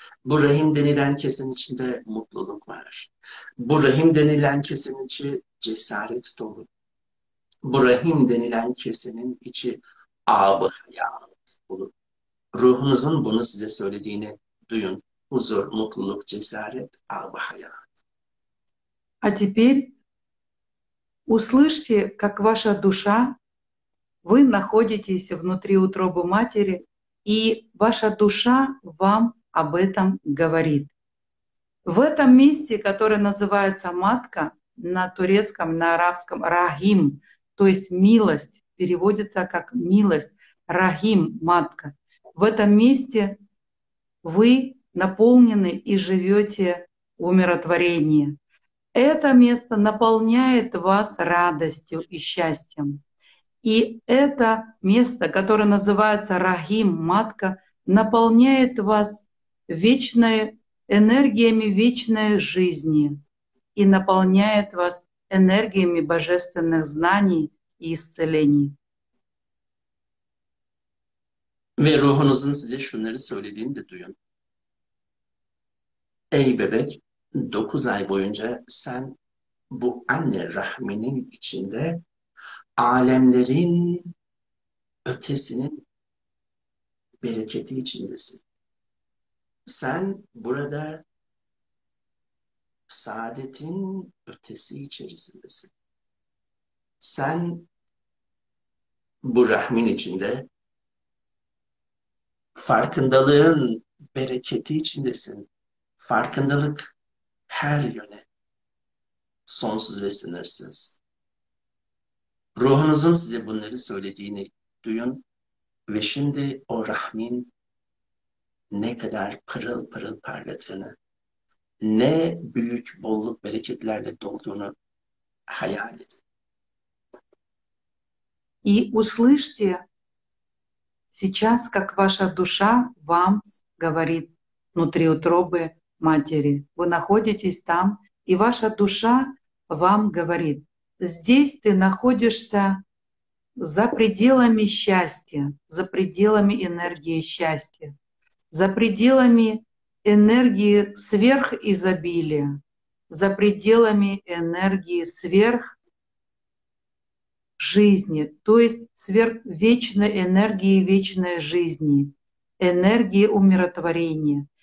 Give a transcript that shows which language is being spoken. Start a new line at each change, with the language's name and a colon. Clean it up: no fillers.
Turkish: Bu rahim denilen kesenin içinde mutluluk var. Bu rahim denilen kesenin içi cesaret dolu. Bu rahim denilen kesenin içi ab hayat olur. Ruhunuzun bunu size söylediğini duyun. Huzur, mutluluk, cesaret, ab hayat.
Russian: А теперь услышьте, как ваша душа, вы находитесь внутри утробы матери, и ваша душа вам об этом говорит. В этом месте, которое называется матка, на турецком, на арабском рахим, то есть милость, переводится как милость, рахим, матка. В этом месте вы наполнены и живете умиротворение. Это место наполняет вас радостью и счастьем. И это место, которое называется Рахим, Матка, наполняет вас вечной энергиями вечной жизни и наполняет вас энергиями божественных знаний и исцелений.
Turkish: Ve ruhunuzun size şunları söylediğini de duyun. Ey bebek, 9 ay boyunca sen bu anne rahminin içinde alemlerin ötesinin bereketi içindesin. Sen burada saadetin ötesi içerisindesin. Sen bu rahmin içinde Farkındalığın bereketi içindesin. Farkındalık her yöne. Sonsuz ve sınırsız. Ruhunuzun size bunları söylediğini duyun ve şimdi o rahmin ne kadar pırıl pırıl parladığını, ne büyük bolluk bereketlerle dolduğunu hayal edin.
Russian: И услышьте сейчас, как ваша душа вам говорит внутри утробы матери. Вы находитесь там, и ваша душа вам говорит, здесь ты находишься за пределами счастья, за пределами энергии счастья, за пределами энергии сверхизобилия, за пределами энергии сверх жизни, то есть сверхвечной энергии вечной жизни, энергии умиротворения.